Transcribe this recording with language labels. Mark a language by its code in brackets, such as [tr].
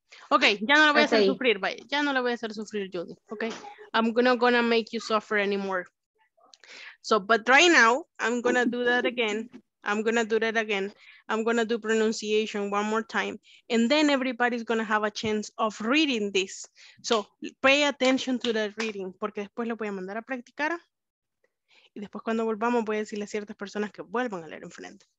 [es] Ok, ya no la voy a hacer sufrir, vaya. Ya no la voy a hacer sufrir, Judy. [en] Ok, I'm not gonna make you suffer anymore. So, but right now, I'm gonna do that again. I'm gonna do pronunciation one more time. And then everybody's gonna have a chance of reading this. So, pay attention to the reading, [es] porque después lo voy a mandar a practicar. Y después cuando volvamos, voy a decirle a ciertas personas que vuelvan a leer enfrente.